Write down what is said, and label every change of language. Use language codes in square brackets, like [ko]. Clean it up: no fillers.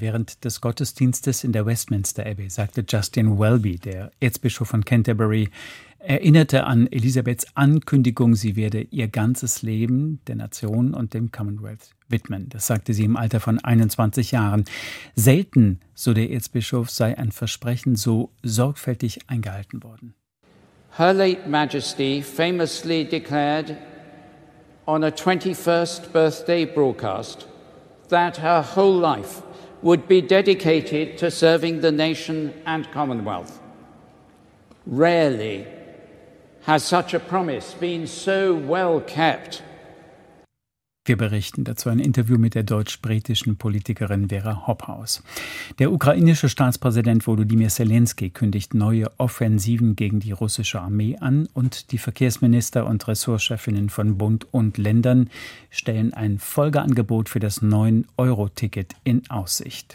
[de] Während des Gottesdienstes in der Westminster Abbey sagte Justin Welby, der Erzbischof von Canterbury, erinnerte an Elisabeths Ankündigung, sie werde ihr ganzes Leben der Nation und dem Commonwealth widmen. Das sagte sie im Alter von 21 Jahren. Selten, so der Erzbischof, sei ein Versprechen so sorgfältig eingehalten worden. [en] Her late Majesty famously declared on a 21st birthday broadcast that her whole life would be dedicated to serving the nation and Commonwealth. Rarely has such a promise been so well kept. [de] Wir berichten dazu ein Interview mit der deutsch-britischen Politikerin Vera Hophaus. Der ukrainische Staatspräsident Volodymyr Zelensky kündigt neue Offensiven gegen die russische Armee an und die Verkehrsminister und Ressortchefinnen von Bund und Ländern stellen ein Folgeangebot für das 9-Euro-Ticket in Aussicht.